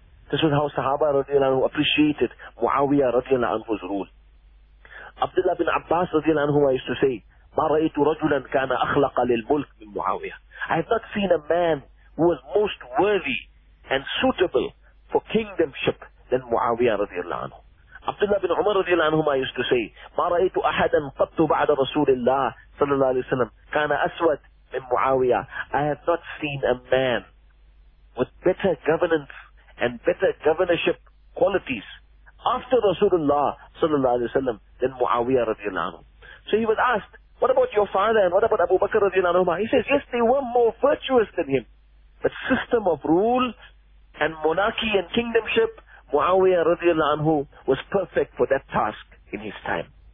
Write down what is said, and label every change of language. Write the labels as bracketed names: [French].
[English] This is how Sahaba رضي الله عنه appreciated Muawiyah رضي الله عنه's rule. Abdullah bin Abbas رضي الله عنه used to say, [Arabic] مَا رَأَيْتُ رَجُلًا كَانَ أَخْلَقَ لِلْمُلْكِ مِنْ مُعَوِيَةِ. [English] I have not seen a man who was most worthy and suitable for kingdomship than Muawiyah رضي الله عنه. [Arabic] Abdullah bin Umar رضي الله عنهما [English] used to say, [Arabic] مَا رَأَيْتُ أَحَدًا قَطُّ بَعْدَ رَسُولِ اللَّهِ صَلَى اللَّهِ عَلَيْهِ وَسَلَمْ كَانَ أَسْوَدْ مِنْ مُعَوِيَةِ. [English] I have not seen a man with better governance and better governorship qualities after Rasulullah صلى الله عليه وسلم than Muawiyah رضي الله عنه. So he was asked, what about your father and what about Abu Bakr radiallahu anhu? He says, yes, they were more virtuous than him. But system of rule and monarchy and kingdomship, Muawiyah radiallahu anhu was perfect for that task in his time.